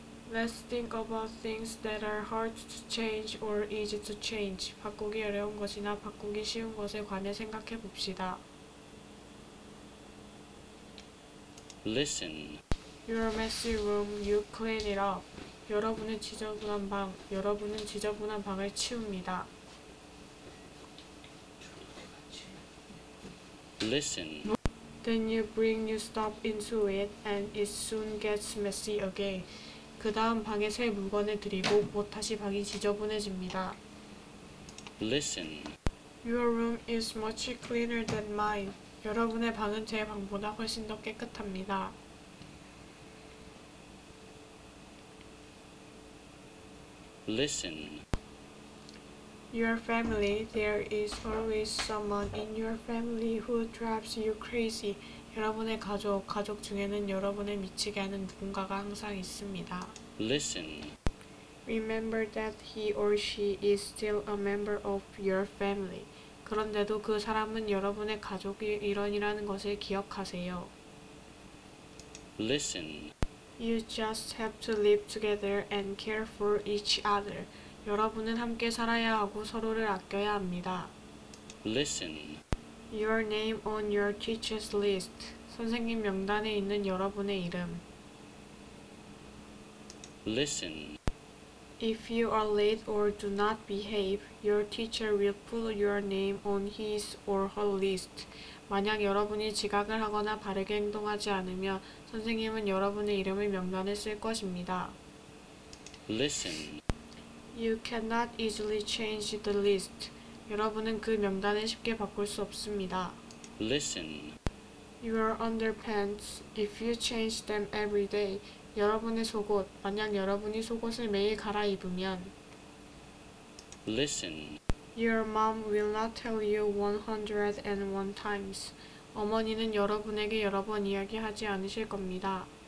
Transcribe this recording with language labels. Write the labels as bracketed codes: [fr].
[en] Let's think about things that are hard to change or easy to change. [ko] 바꾸기 어려운 것이나 바꾸기 쉬운 것에 관해 생각해 봅시다. [en] Listen. Your messy room, you clean it up. [ko] 여러분의 지저분한 방, 여러분은 지저분한 방을 치웁니다. [en] Listen. Then you bring new stuff into it and it soon gets messy again. [ko] 그 다음 방에 새 물건을 들이고 곧 다시 방이 지저분해집니다. [en] Listen. Your room is much cleaner than mine. [ko] 여러분의 방은 제 방보다 훨씬 더 깨끗합니다. [en] Listen. Your family, there is always someone in your family who drives you crazy. [ko] 여러분의 가족, 가족 중에는 여러분을 미치게 하는 누군가가 항상 있습니다. [en] Listen. Remember that he or she is still a member of your family. [ko] 그런데도 그 사람은 여러분의 가족 일원이라는 것을 기억하세요. [en] Listen. You just have to live together and care for each other. [ko] 여러분은 함께 살아야 하고 서로를 아껴야 합니다. [en] Listen. Your name on your teacher's list. [ko] 선생님 명단에 있는 여러분의 이름. [en] Listen. If you are late or do not behave, your teacher will put your name on his or her list. [ko] 만약 여러분이 지각을 하거나 바르게 행동하지 않으면 선생님은 여러분의 이름을 명단에 쓸 것입니다. [en] Listen. You cannot easily change the list. [ko] 여러분은 그 명단을 쉽게 바꿀 수 없습니다. [en] Listen. Your underpants, if you change them every day. [ko] 여러분의 속옷, 만약 여러분이 속옷을 매일 갈아입으면. [en] Listen. Your mom will not tell you 101 times. [ko] 어머니는 여러분에게 여러 번 이야기하지 않으실 겁니다.